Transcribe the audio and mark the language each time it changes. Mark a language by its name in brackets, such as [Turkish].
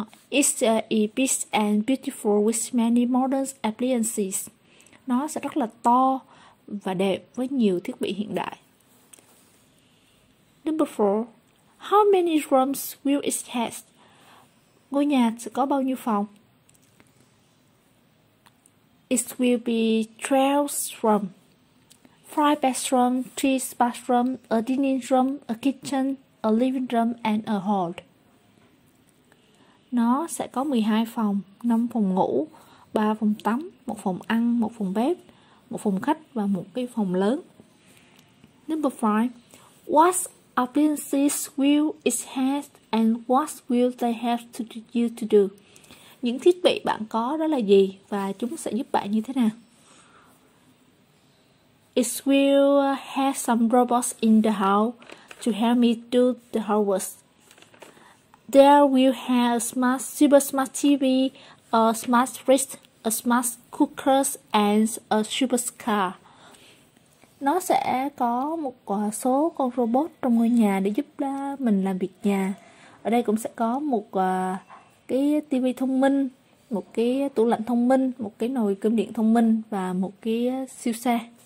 [English] It's big and beautiful with many modern appliances. [Vietnamese] Nó sẽ rất là to và đẹp với nhiều thiết bị hiện đại. [English] Number 4. How many rooms will it have? [Vietnamese] Ngôi nhà sẽ có bao nhiêu phòng? [English] It will be 12 rooms. 5 bedrooms, 3 bathrooms, a dining room, a kitchen, a living room and a hall. [Vietnamese] Nó sẽ có 12 phòng, 5 phòng ngủ, 3 phòng tắm, 1 phòng ăn, 1 phòng bếp, 1 phòng khách và 1 cái phòng lớn. [English] Number 5. What appliances will it have and what will they have to you to do? [Vietnamese] Những thiết bị bạn có đó là gì và chúng sẽ giúp bạn như thế nào? [English] It will have some robots in the house to help me do the housework. There will have a smart, super smart TV, a smart fridge, a smart cooker, and a super car. [Vietnamese] Nó sẽ có một số con robot trong ngôi nhà để giúp mình làm việc nhà. Ở đây cũng sẽ có một cái TV thông minh, một cái tủ lạnh thông minh, một cái nồi cơm điện thông minh và một cái siêu xe.